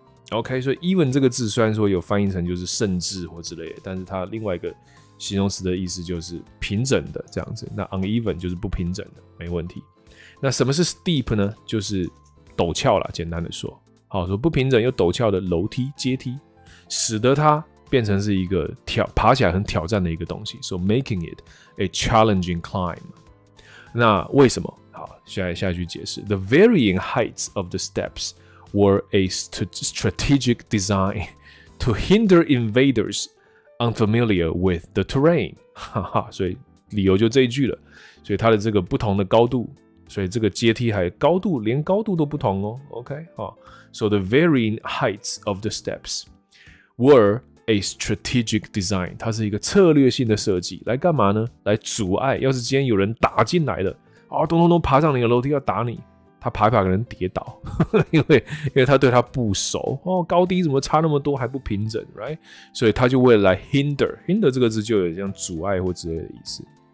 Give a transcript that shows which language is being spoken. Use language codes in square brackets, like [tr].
[zh] OK， 所以 even 这个字虽然说有翻译成就是甚至或之类的，但是它另外一个形容词的意思就是平整的这样子。那 uneven 就是不平整的，没问题。那什么是 steep 呢？就是陡峭啦，简单的说，好说不平整又陡峭的楼梯阶梯，使得它变成是一个爬起来很挑战的一个东西。 [en] So making it a challenging climb。 [zh] 那为什么？好，下一句解释 [en] ：The varying heights of the steps were a strategic design to hinder invaders unfamiliar with the terrain。 [zh] 哈哈，所以理由就这一句了。所以它的这个不同的高度。所以这个阶梯还高度，连高度都不同哦。 OK， 好。 [en] So the varying heights of the steps were a strategic design。 [zh] 它是一个策略性的设计，来干嘛呢？来阻碍。要是今天有人打进来了，啊，咚咚咚，爬上你的楼梯要打你，他爬一爬可能跌倒，因为他对他不熟哦，高低怎么差那么多还不平整 ，right？所以他就为了来 hinder 这个字就有像阻碍或之类的意思。